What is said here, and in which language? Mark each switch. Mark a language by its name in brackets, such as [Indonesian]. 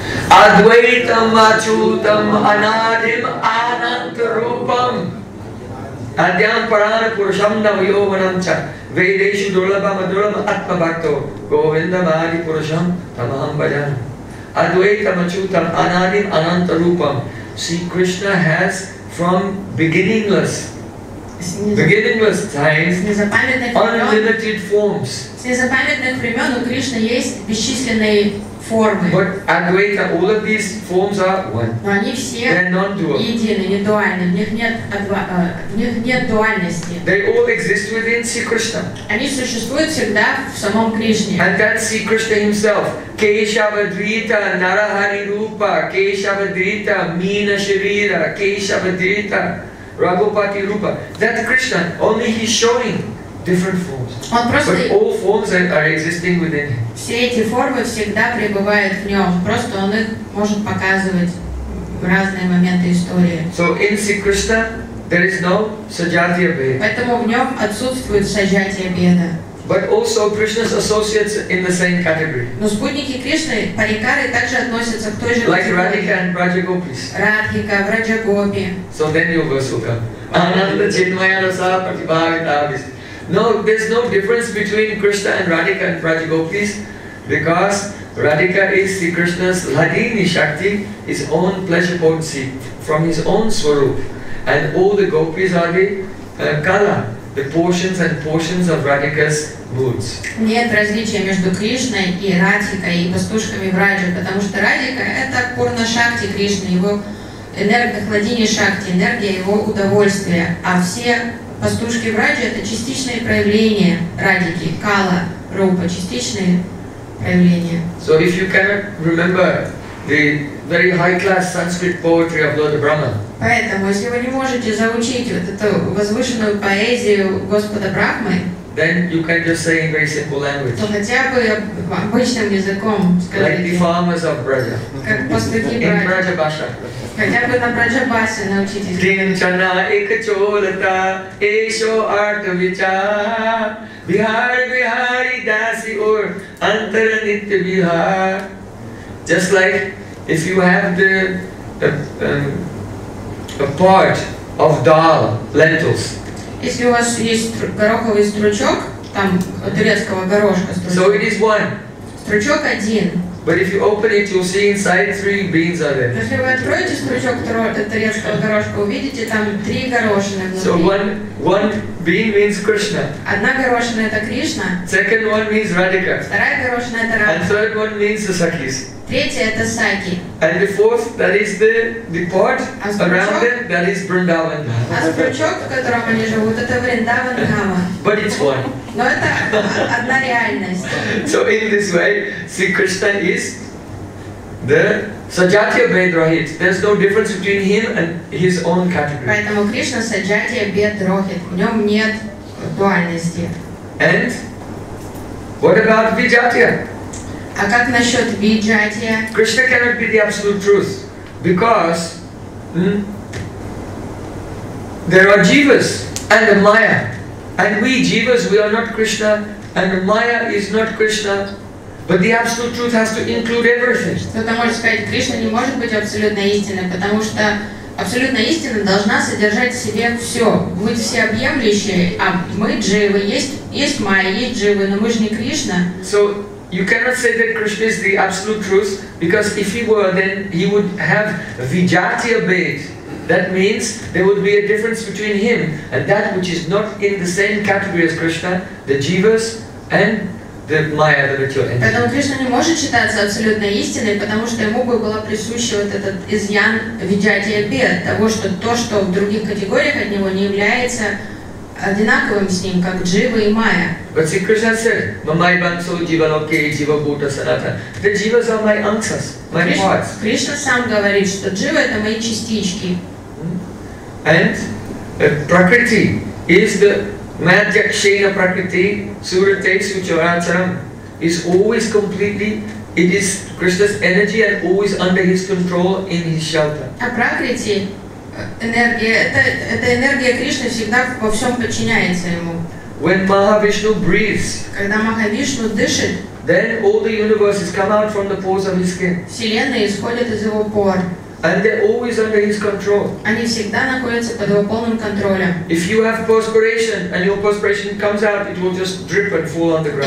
[Sanskrit] Advaitam Achutam Anadim Anantarupam Adyam Parana Purusham Navayovanam Cha Vedeshu Durlabham Adurlam Atma Bhakto Govindam Adi Purusham Tamaham Bhajan Advaitam Achutam Anadim Anantarupam. [English] See, Krishna has from beginningless times, unlimited forms. [Russian] С незапамятных времен у Кришны есть бесчисленные формы. [English] But Advaita, all of these forms are one. [Russian] Но они все едины, не дуальны. В них нет дуальности. [English] They all exist within Sri Krishna. [Russian] Они существуют всегда в самом Кришне. [English] And that Sri Krishna himself, [Sanskrit] Keshavadrita Narahari Rupa, Keshavadrita Meena Sharira, Keshavadrita Raghupati Rupa. [English] That Krishna, only he's showing different forms. But all forms are existing within him. [Russian] Все эти формы всегда пребывают в нем. Просто он их может показывать в разные моменты истории. [English] So in Sri Krishna there is no sajatiya bheda. [Russian] Поэтому в нем отсутствует сажатия бхеда. [English] But also Krishna's associates in the same category. [Russian] Но спутники Кришны, парикары, также относятся к той же категории. [English] Like Radhika and Vrajagopis. Radhika, Vrajagopi. So then your verse will come. [Sanskrit] Ananda Chinmaya Rasa Pratibhavita Abhis. [English] No, there's no difference between Krishna and Radhika and Vrajagopis, because Radhika is Sri Krishna's Ladini Shakti, his own pleasure potency, from his own swarup. And all the gopis are the Kala, the portions and portions of Radhika's moods. [Russian] Нет различия между Кришной и Радхикой и пастушками Враджи, потому что Радхика – это Пурна Шакти Кришны, его энергия Хладини Шакти, энергия его удовольствия. А все пастушки Враджи – это частичные проявления Радхики, Кала, Рупа, частичные проявления. [English] So if you cannot remember the very high-class Sanskrit poetry of Lord Brahma. [Russian] Поэтому, если вы не можете заучить вот эту возвышенную поэзию Господа Брахмы, [English] then you can just say in very simple language. [Russian] То хотя бы обычным языком скажите. [English] Like the farmers of Braja. [Russian] Как пастухи Браджа. [English] In Braja Basha. [Russian] Хотя бы на Браджа Басе научитесь. [Braj] Динчана ик чолата, эшо арт вичар, бихар бихари даси ор, антар нитья бихар. [English] Just like if you have a part of dal, lentils. [Russian] Если у вас есть гороховый стручок, там турецкого горошка стручок. [English] So it is one. [Russian] Стручок один. [English] But if you open it, you'll see inside three beans are there. [Russian] Если вы откроете стручок турецкого горошка, увидите там три горошины внутри. [English] So one bean means Krishna. [Russian] Одна горошина это Кришна. [English] Second one means Radhika. [Russian] Вторая горошина это Радха. [English] And third one means the Sakis. [Russian] Третье это саки. [English] And the fourth, that is the part around it, that is Vrindavan. [Russian] А стручок, в котором они живут, это Vrindavan Dhamma. [English] But it's one. [Russian] Но это одна реальность. [English] So in this way, Sri Krishna is the sajatiya bheda rahit. There's no difference between him and his own category. [Russian] Поэтому Кришна саджатия бхеда рахит. В нем нет дуальности. [English] And what about vijatiya? [Russian] А как насчет виджатия? [English] Krishna cannot be the absolute truth, because there are jivas and maya, and we jivas, we are not Krishna, and maya is not Krishna, but the absolute truth has to include everything. [Russian] Кто-то может сказать, Кришна не может быть абсолютной истиной, потому что абсолютная истина должна содержать в себе все, быть всеобъемлющей, а мы дживы, есть майя, есть дживы, но мы же не Кришна. [English] So, you cannot say that Krishna is the absolute truth, because if he were, then he would have vijatiya bheda. That means there would be a difference between him and that which is not in the same category as Krishna, the jivas and the maya, the material energy. [Russian] Поэтому Кришна не может считаться абсолютной истиной, потому что ему бы была присуща вот этот изъян vijatiya bheda, того, что то, что в других категориях от него не является одинаковым с ним, как джива и майя. [English] But Sri Krishna said, [Sanskrit] Mamai Bansu Jiva Loke Jiva Bhuta Sanatana. [English] The jivas are my ansas, my parts. [Russian] Krishna сам говорит, что джива это мои частички. [English] And Prakriti is the [Sanskrit] Madhyakshena Prakriti, Surate Sucharacharam, [English] is always completely, it is Krishna's energy and always under his control in his shelter. [Russian] А Prakriti, Это энергия Кришны всегда во всем подчиняется ему. [English] When Mahavishnu breathes, [Russian] когда Махавишну дышит, [English] then all the universes come out from the pores of his skin. [Russian] Вселенная исходит из его пор. [English] And they're always under his control. [Russian] Они всегда находятся под его полным контролем. [English] If you have perspiration and your perspiration comes out, it will just drip and fall on the ground.